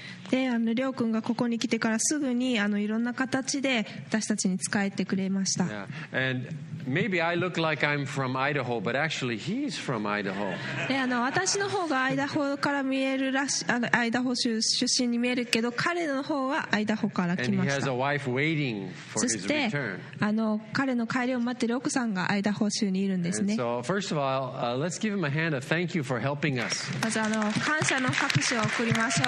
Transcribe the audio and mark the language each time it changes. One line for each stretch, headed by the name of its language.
Japanese: で、りょうくんがここに来てからすぐにいろんな形で私たちに仕えてくれました。
English: Yeah. And maybe I look like I'm from Idaho, but actually he's from Idaho.
Japanese: で、私の方がアイダホから見えるらし、アイダホ州出身に見えるけど、彼の方はアイダホから来ました。
English: And he has a wife waiting for his return.
Japanese: そして、彼の帰りを待ってる奥さんがアイダホ州にいるんですね。
English: And so, first of all, let's give him a hand of thank you for helping us.
Japanese: まず感謝の拍手を送りましょう。